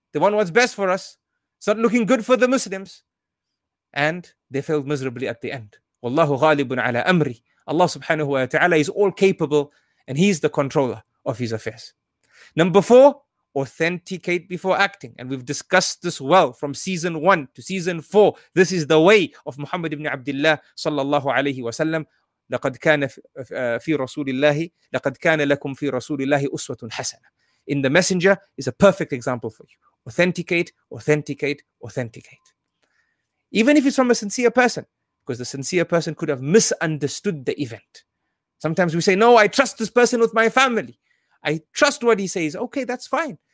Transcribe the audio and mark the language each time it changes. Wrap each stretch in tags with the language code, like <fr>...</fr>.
<en>They want what's best for us. It's not looking good for the Muslims. And they failed miserably at the end. Wallahu ghalibun ala amri. Allah subhanahu wa ta'ala is all capable and He's the controller of His affairs. Number four, authenticate before acting. And we've discussed this well from season one to season four. This is the way of Muhammad ibn Abdullah sallallahu alayhi wa sallam.</en> <ar>لقد كان في رسول الله لقد كان لكم في رسول الله أسوة حسنة.</ar> <en>In the messenger is a perfect example for you. Authenticate, authenticate, authenticate. Even if it's from a sincere person, because the sincere person could have misunderstood the event. Sometimes we say, no, I trust this person with my family. I trust what he says. Okay, that's fine.</en>